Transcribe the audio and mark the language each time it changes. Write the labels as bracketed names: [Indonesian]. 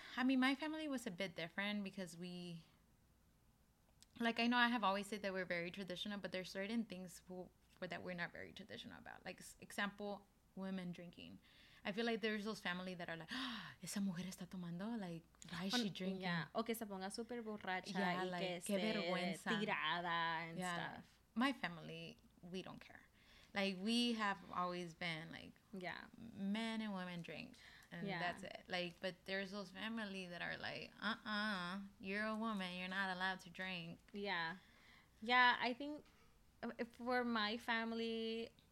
[English] I mean, my family was a bit different because we... Like, I know I have always said that we're very traditional, but there's certain things that we're not very traditional about. Like, example, women drinking. I feel like there's those family that are like, oh, [Spanish] esa mujer está tomando, [English] like, why is she drinking? Yeah, [Spanish] o que se ponga super borracha, yeah, y like, que qué vergüenza. [English] Tirada and stuff. My family, we don't care. Like, we have always been, like, men and women drink, and that's it. Like, but there's those family that are like, you're a woman, you're not allowed to drink. Yeah. Yeah, I think for my family...